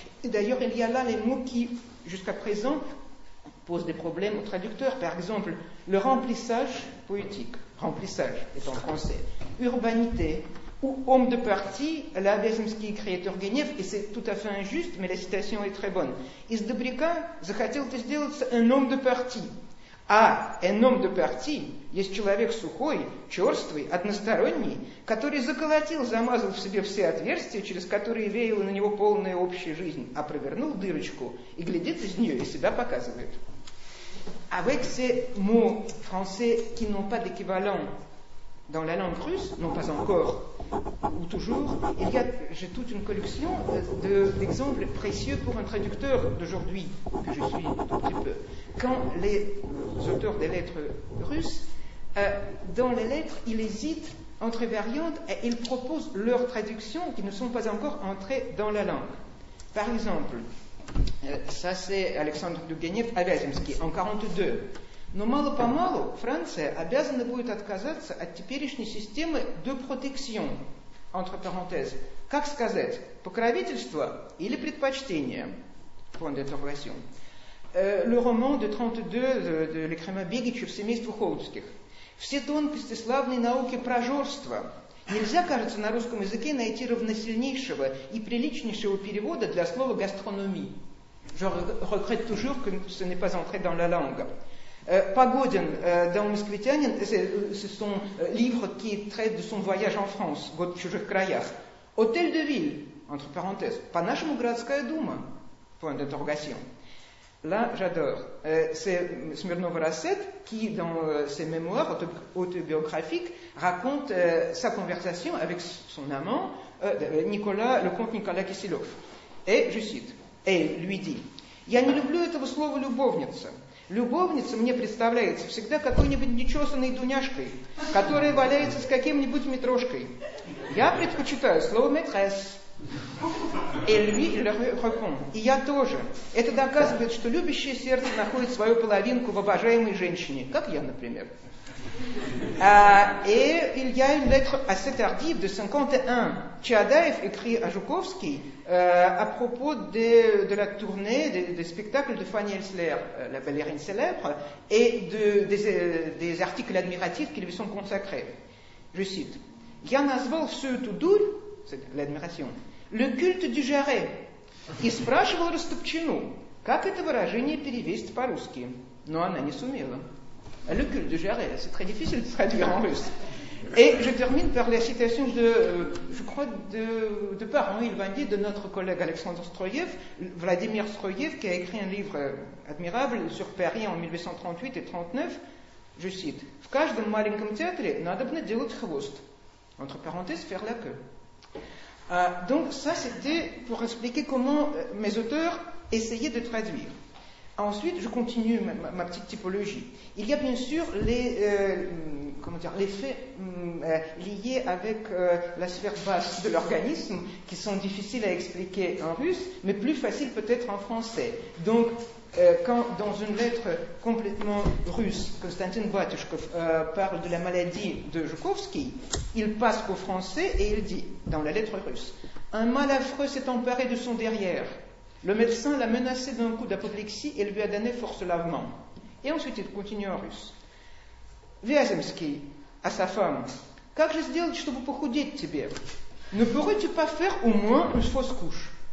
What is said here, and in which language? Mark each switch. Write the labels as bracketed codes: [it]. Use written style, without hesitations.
[fr] Et d'ailleurs, il y a là les mots qui, jusqu'à présent, posent des problèmes aux traducteurs. Par exemple, le remplissage poétique, remplissage est en français, urbanité, ou homme de parti, là, Vyazemsky écrit Turgenev, et c'est tout à fait injuste, mais la citation est très bonne. [ru] Из добряка захотел ты сделаться [fr] un homme de parti. Ah, un homme de parti, [ru] есть человек сухой, черствый, односторонний, который заколотил, замазал в себе все отверстия, через которые веяло на него полная общая жизнь, а провернул дырочку и глядит из нее и себя показывает. [fr] Avec ces mots français qui n'ont pas d'équivalent dans la langue russe, non pas encore, ou toujours, il y a, j'ai toute une collection d'exemples précieux pour un traducteur d'aujourd'hui, que je suis un tout petit peu. Quand les auteurs des lettres russes, dans les lettres, ils hésitent entre variantes et ils proposent leurs traductions qui ne sont pas encore entrées dans la langue. Par exemple, ça c'est Alexandre Turgenev à Vyazemsky, en 42. [ru] Но мало-помалу Франция обязана будет отказаться от теперешней системы [fr] de protection, entre parenthèses. [ru] Как сказать, покровительство или предпочтение? [fr] Point d'interrogation. Le roman de 32 de l'écrivain Бегичев, [ru] семейство Холдских. Все тонкости славной науки прожорства. Нельзя, кажется, на русском языке найти равносильнейшего и приличнейшего перевода для слова гастрономии. [fr] Je regrette toujours que ce n'est pas entré dans la langue. Pagodin, dans Moskvitianin, c'est son livre qui traite de son voyage en France, [ru] «Год в чужих краях». [fr] Hôtel de ville, entre parenthèses, [ru] «Панашему городская дума», [fr] point d'interrogation. Là, j'adore. C'est Smirnov Rasset qui, dans ses mémoires autobiographiques, raconte sa conversation avec son amant, Nicolas, le comte Nicolas Kisilov. Et, je cite, et il lui dit: [ru] «Я не люблю этого слова «любовница». Любовница мне представляется всегда какой-нибудь нечесанной дуняшкой, которая валяется с каким-нибудь метрошкой. Я предпочитаю слово «maîtresse». [fr] Et lui le répond: [ru] «И я тоже. Это доказывает, что любящее сердце находит свою половинку в обожаемой женщине, как я, например». [fr] Et il y a une lettre à cet article de 51. Tchadaev écrit à Joukovsky à propos de la tournée des spectacles de Fanny Elsler, la ballerine célèbre, et des articles admiratifs qui lui sont consacrés. Je cite: [ru] «Я назвал всю эту дурь», [fr] c'est l'admiration, «le culte du jarret», [ru] и спрашивал Растопчину, как это выражение перевести по-русски. Но она не сумела. [fr] «Le culte du jarret», c'est très difficile de traduire en russe. Et je termine par la citation de par Henri Vandier, de notre collègue Alexandre Stroyev, Vladimir Stroyev, qui a écrit un livre admirable sur Paris en 1838 et 39. Je cite: [ru] «В каждом маленьком театре надо бы делать хвост», [fr] entre parenthèses, «faire la queue». Donc ça, c'était pour expliquer comment mes auteurs essayaient de traduire. Ensuite, je continue ma petite typologie. Il y a bien sûr les faits liés avec la sphère basse de l'organisme qui sont difficiles à expliquer en russe, mais plus faciles peut-être en français. Donc, quand dans une lettre complètement russe, Konstantin Batyushkov parle de la maladie de Joukovsky, il passe au français et il dit, dans la lettre russe: «Un mal affreux s'est emparé de son derrière. Le médecin l'a menacé d'un coup d'apoplexie et lui a donné force lavement». Et ensuite, il continue en russe. [ru] Вяземский [fr] à sa femme: [ru] «Как же сделать, чтобы похудеть тебе? [fr] Ne pourrais-tu pas faire au moins une fausse couche?»